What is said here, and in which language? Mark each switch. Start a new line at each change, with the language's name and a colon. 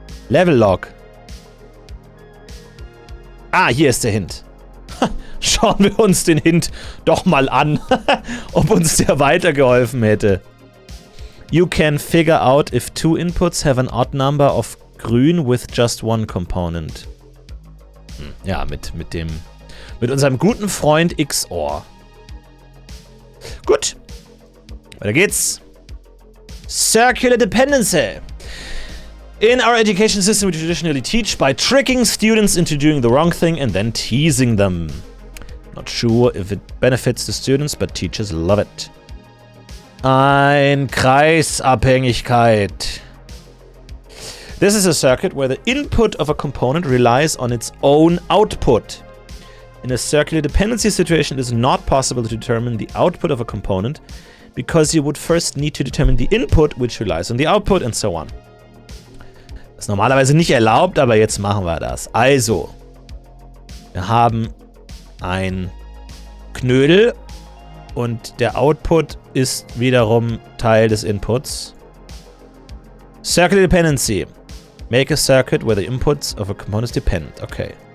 English: Level Lock.
German: Ah, hier ist der Hint. Schauen wir uns den Hint doch mal an, ob uns der weitergeholfen hätte.
English: You can figure out if two inputs have an odd number of green with just one component.
German: Ja, mit unserem guten Freund XOR. Gut. Weiter geht's.
English: Circular Dependency. In our education system, we traditionally teach by tricking students into doing the wrong thing and then teasing them. Not sure if it benefits the students, but teachers love it.
German: Ein Kreisabhängigkeit.
English: This is a circuit where the input of a component relies on its own output. In a circular dependency situation, it is not possible to determine the output of a component because you would first need to determine the input, which relies on the output, and so on.
German: Ist normalerweise nicht erlaubt, aber jetzt machen wir das. Also, wir haben ein Knödel und der Output ist wiederum Teil des Inputs.
English: Circuit Dependency. Make a circuit where the inputs of a component depend. Okay.